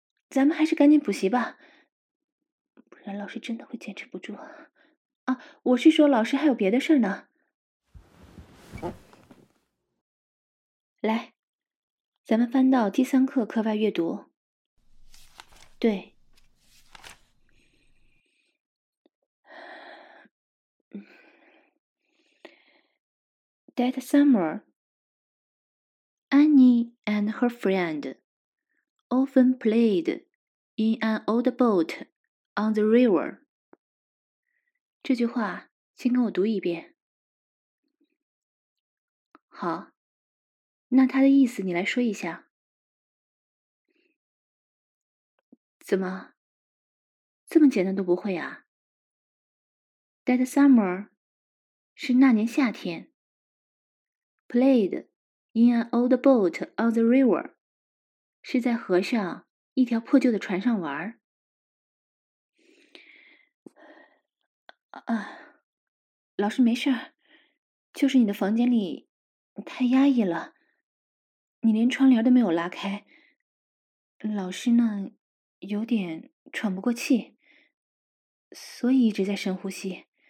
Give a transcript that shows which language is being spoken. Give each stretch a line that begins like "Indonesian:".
Chinese: 咱们还是赶紧补习吧，不然老师真的会坚持不住。啊，我是说老师还有别的事儿呢。来，咱们翻到第三课课外阅读。对，
English: That summer, Annie and her friend often played in an old boat on the river.
Chinese: 这句话，先跟我读一遍。好，那它的意思你来说一下。怎么，这么简单都不会啊？
English: That summer
Chinese: 是那年夏天。
English: Played in an old boat on the river
Chinese: 是在河上一条破旧的船上玩。啊，老师没事儿，就是你的房间里太压抑了，你连窗帘都没有拉开，老师呢有点喘不过气，所以一直在深呼吸。